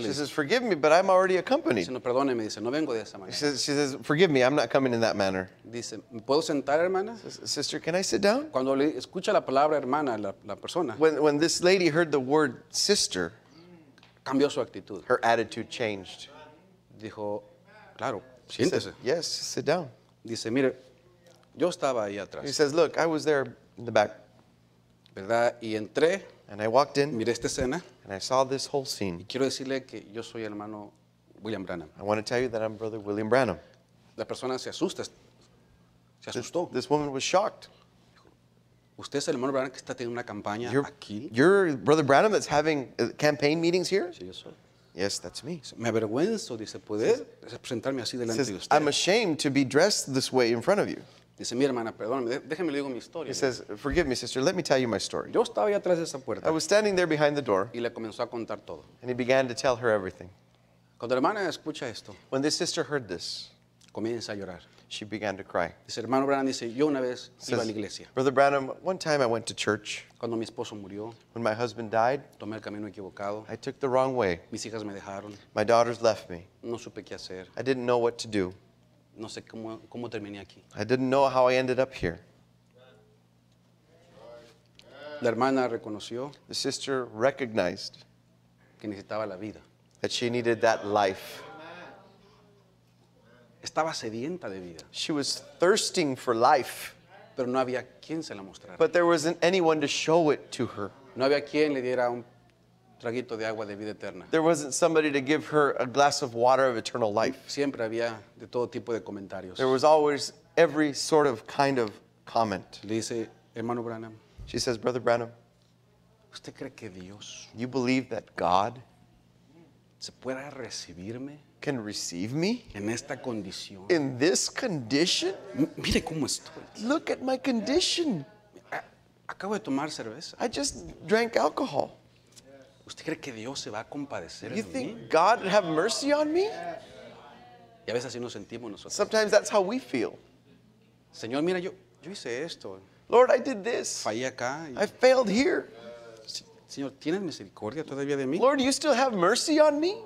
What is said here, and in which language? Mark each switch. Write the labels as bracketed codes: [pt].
[en] She says, forgive me, but I'm already accompanied. [es] Dice, no, perdóneme, dice, no vengo de esa manera. [en] She says, forgive me, I'm not coming in that manner. [es] Dice, ¿puedo sentar, hermana? [en] Sister, can I sit down? [es] Cuando le escucha la palabra hermana, la persona. [en] When this lady heard the word sister, [es] cambió su actitud. [en] Her attitude changed. [es] Dijo, claro, siéntese. [en] Said, yes, sit down. [es] Dice, mire, yo estaba ahí atrás. [en] He says, look, I was there in the back. [es] ¿Verdad? Y entré. [en] And I walked in. [es] Miré esta escena. [en] And I saw this whole scene. [es] Y quiero decirle que yo soy hermano William Branham. [en] I want to tell you that I'm Brother William Branham. [es] La persona se asusta. Se asustó. [en] This woman was shocked. [es] ¿Usted es el hermano Branham que está teniendo una campaña aquí? [en] You're Brother Branham that's having campaign meetings here? [es] Sí, yo soy. [en] Yes, that's me. [es] Me avergüenzo, dice, poder presentarme así delante de usted. [en] I'm ashamed to be dressed this way in front of you. [es] Dice, mi hermana, perdóname, déjeme le digo mi historia. [en] He says, forgive me, sister, let me tell you my story. [es] Yo estaba ahí atrás de esa puerta. [en] I was standing there behind the door. [es] Y le comenzó a contar todo. [en] And he began to tell her everything. [es] Cuando la hermana escucha esto. [en] When this sister heard this. [es] Comienza a llorar. [en] She began to cry. [es] Dice, hermano Branham, dice, yo una vez iba a la iglesia. [en] Brother Branham, one time I went to church. [es] Cuando mi esposo murió. [en] When my husband died. [es] Tomé el camino equivocado. [en] I took the wrong way. [es] Mis hijas me dejaron. [en] My daughters left me. [es] No supe qué hacer. [en] I didn't know what to do. [es] No sé cómo terminé aquí. [en] I didn't know how I ended up here. [es] La hermana reconoció. [en] The sister recognized. [es] Que necesitaba la vida. [en] That she needed that life. [es] Estaba sedienta de vida. [en] She was thirsting for life. [es] Pero no había quien se la mostrara. [en] But there wasn't anyone to show it to her. [es] No había quien le diera un traguito de agua de vida eterna. [en] There wasn't somebody to give her a glass of water of eternal life. [es] Siempre había de todo tipo de comentarios. [en] There was always every sort of kind of comment. [es] Le dice, hermano Branham. [en] She says, Brother Branham. [es] ¿Usted cree que Dios? [en] You believe that God? [es] ¿Se pueda recibirme? [en] Can receive me? [es] En esta condición. [en] In this condition? [es] Mire cómo estoy. [en] Look at my condition. [es] Acabo de tomar cerveza. [en] I just drank alcohol. [es] ¿Usted cree que Dios se va a compadecer de mí? [en] You think God would have mercy on me? [es] Y a veces así nos sentimos nosotros. [en] Sometimes that's how we feel. [es] Señor, mira, yo hice esto. [en] Lord, I did this. [es] Fallé acá. [en] I failed here. [es] Señor, ¿tienes misericordia todavía de mí? [en] Lord, you still have mercy on me?